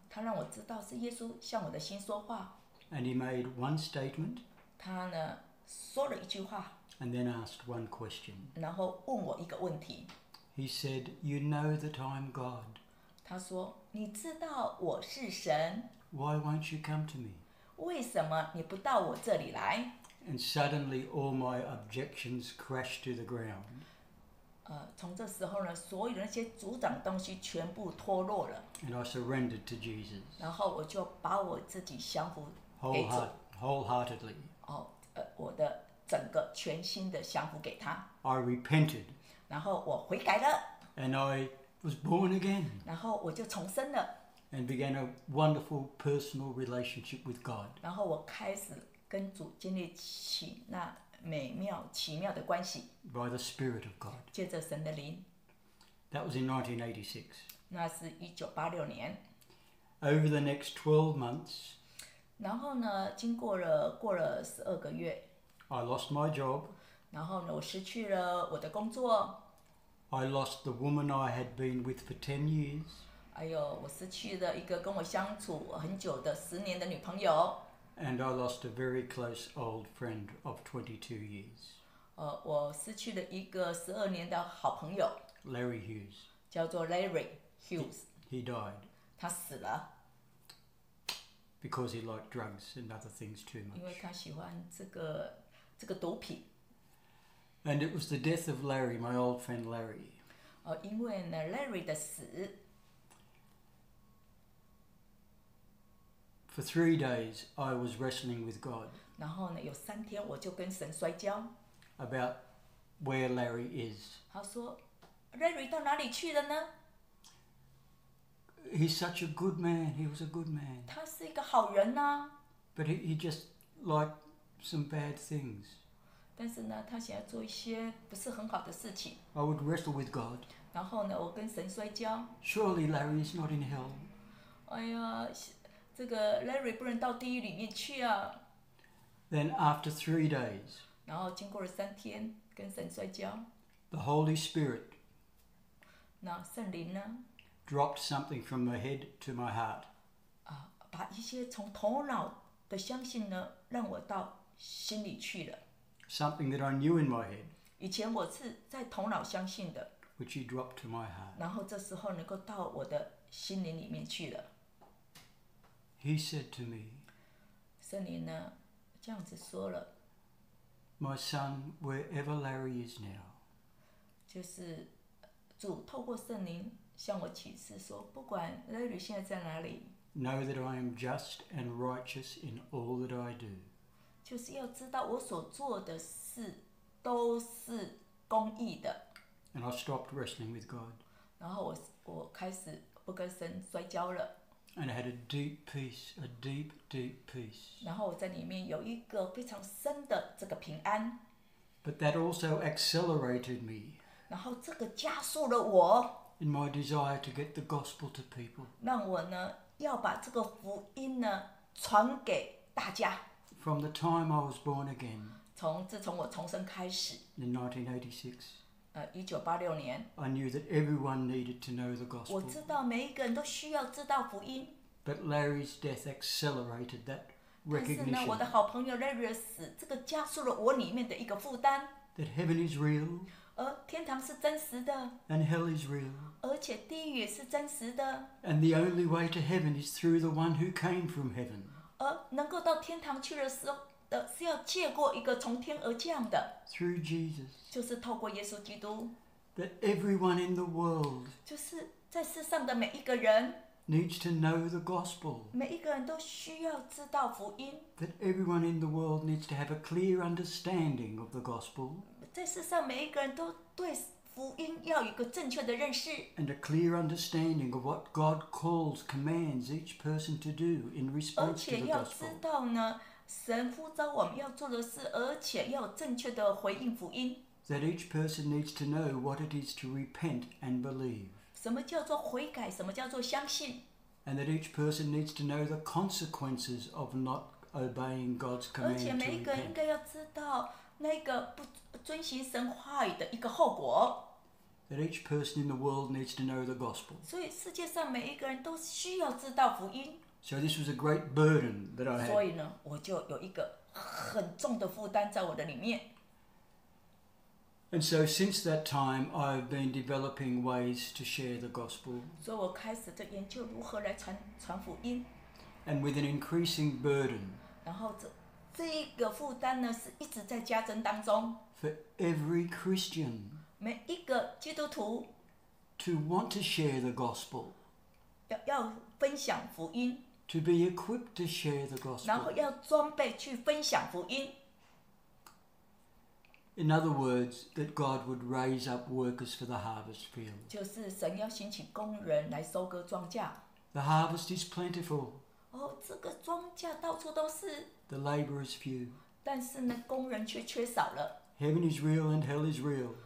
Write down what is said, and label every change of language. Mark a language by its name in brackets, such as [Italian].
[Chinese] 他让我知道是耶稣向我的心说话。 [English] And he made one statement. [Chinese] 他呢说了一句话。 [English] And then asked one question. [Chinese] 然后问我一个问题。 [English] He said, "You know that I'm God." [Chinese] 他说，你知道我是神。 [English] Why won't you come to me? [Chinese] 为什么你不到我这里来？ [English] And suddenly all my objections crashed to the ground. [Chinese] 从这时候呢，所有的那些阻挡东西全部脱落了。 [English] And I surrendered to Jesus. [Chinese] 然后我就把我自己降服给主。 [English] Wholeheartedly. [Chinese] 我的整个全心的降服给他。 [English] I repented. [Chinese] 然后我悔改了。 [English] And I was born again. [Chinese] 然后我就重生了。 [English] And began a wonderful personal relationship with God. [Chinese] 然后我开始跟主建立起那美妙奇妙的关系。 [English] By the Spirit of God. [Chinese] 借着神的灵。 [English] That was in 1986. [Chinese] 那是1986年。 [English] Over the next 12 months. [Chinese] 然后呢，经过了12个月。 [English] I lost my job. [Chinese] 然后呢，我失去了我的工作。 [English] I lost the woman I had been with for 10 years. [Chinese] 哎呦，我失去了一个跟我相处很久的十年的女朋友。 [English] And I lost a very close old friend of 22 years. [Chinese] 我失去了一个12年的好朋友。 [English] Larry Hughes. [Chinese] 叫做 Larry Hughes. [English] He died. [Chinese] 他死了。 [English] Because he liked drugs and other things too much. [Chinese] 因为他喜欢这个毒品。 [English] And it was the death of Larry, my old friend Larry. [Chinese] 因为呢 Larry 的死。 [English] For 3 days, I was wrestling with God. [Chinese] 然后呢，有三天我就跟神摔跤。 [English] About where Larry is. [Chinese] 他说 ，Larry 到哪里去了呢 [English] ？He's such a good man. He was a good man. [Chinese] 他是一个好人呐。 [English] But he just liked some bad things. [Chinese] 但是呢，他想要做一些不是很好的事情。 [English] I would wrestle with God. [Chinese] 然后呢，我跟神摔跤。 [English] Surely Larry is not in hell. [Chinese] 哎呀。这个 Larry 不能到地狱里面去啊。 [English] Then after 3 days, [Chinese] 然后经过了三天跟神摔跤。 [English] The Holy Spirit, [Chinese] 那圣灵呢 [English] ？Dropped something from my head to my heart. [Chinese] 把一些从头脑的相信呢，让我到心里去了。 [English] Something that I knew in my head. [Chinese] 以前我是在头脑相信的。 [English] Which he dropped to my heart. [Chinese] 然后这时候能够到我的心灵里面去了。 [English] He said to me, [Chinese] 圣灵呢，这样子说了。 [English] My son, wherever Larry is now. [Chinese] 就是主透过圣灵向我启示说，不管 Larry 现在在哪里。 [English] Know that I am just and righteous in all that I do. [Chinese] 就是要知道我所做的事都是公义的。 [English] And I stopped wrestling with God. [Chinese] 然后我开始不跟神摔跤了。 [English] And I had a deep peace, a deep, deep peace. [Chinese] 然后我在里面有一个非常深的这个平安。 [English] But that also accelerated me. [Chinese] 然后这个加速了我 [English] in my desire to get the gospel to people. [Chinese] 让我呢要把这个福音呢传给大家 [English] from the time I was born again. [Chinese] 从自从我重生开始 [English] in 1986. [Chinese] 1986年 [English] I knew that everyone needed to know the gospel. [Chinese] 我知道每一个人都需要知道福音。 [English] But Larry's death accelerated that recognition. [Chinese] 但是呢，我的好朋友 Larry 的死，这个加速了我里面的一个负担。 [English] That heaven is real. [Chinese] 而天堂是真实的。 [English] And hell is real. [Chinese] 而且地狱也是真实的。 [English] And the only way to heaven is through the one who came from heaven. [Chinese] 而能够到天堂去的时候。是要借过一个从天而降的 [English] through Jesus [Chinese] 就是透过耶稣基督 [English] that everyone in the world [Chinese] 就是在世上的每一个人 [English] needs to know the gospel [Chinese] 每一个人都需要知道福音 [English] that everyone in the world needs to have a clear understanding of the gospel [Chinese] 在世上每一个人都对福音要有一个正确的认识 [English] and a clear understanding of what God calls, commands each person to do in response to the gospel [Chinese] 而且要知道呢神呼召我们要做的事，而且要正确的回应福音。 [English] That each person needs to know what it is to repent and believe. [Chinese] 什么叫做悔改？什么叫做相信 [English] ？And that each person needs to know the consequences of not obeying God's command to repent. [Chinese] 而且每一个人应该要知道那个不遵循神话语的一个后果。 [English] That each person in the world needs to know the gospel. [Chinese] 所以世界上每一个人都需要知道福音。 [English] So this was a great burden that I had. [Chinese] 所以呢，我就有一个很重的负担在我的里面。 [English] And so since that time, I've been developing ways to share the gospel. [Chinese] 所以我开始在研究如何来传福音。 [English] And with an increasing burden. [Chinese] 然后这个负担呢，是一直在加增当中。 [English] For every Christian. [Chinese] 每一个基督徒。 [English] To want to share the gospel. [Chinese] 要分享福音。 [English] To be equipped to share the gospel. [Chinese] 然后要装备去分享福音。 [English] In other words, that God would raise up workers for the harvest field. [Chinese] 就是神要兴起工人来收割庄稼。 [English] The harvest is plentiful. [Chinese] 哦，这个庄稼到处都是。 [English] The laborers few. [Chinese] 但是呢，工人却缺少了。 [English] Heaven is real and hell is real.